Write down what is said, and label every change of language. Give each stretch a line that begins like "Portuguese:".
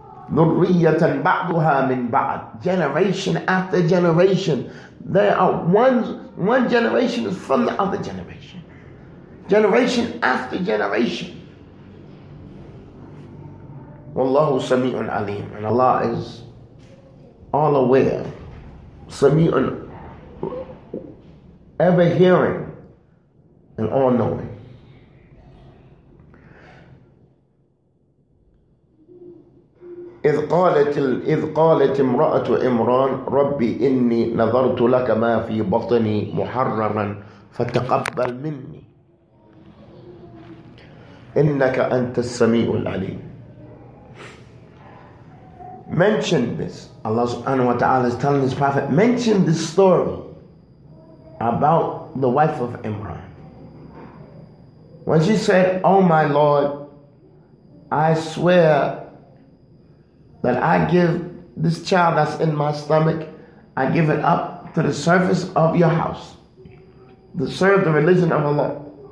Arabic: ذُرِّيَّةً بَعْضُهَا مِنْ بَعْضٍ,
English: generation after generation. They are one generation is from the other generation. Generation after generation.
Arabic: وَاللَّهُ سَمِيعٌ عَلِيمٌ,
English: and Allah is all aware. سَمِيعٌ, ever hearing and all knowing.
Arabic: إذ قالت امرأة عمران ربي إني نظرت لك ما في بطني محررا فتقبل مني إنك أنت السميع العليم.
English: Mention this. Allah subhanahu wa ta'ala is telling his prophet, mention this story about the wife of Imran. When she said, oh my Lord, I swear that I give this child that's in my stomach, I give it up to the service of your house, to serve the religion of Allah.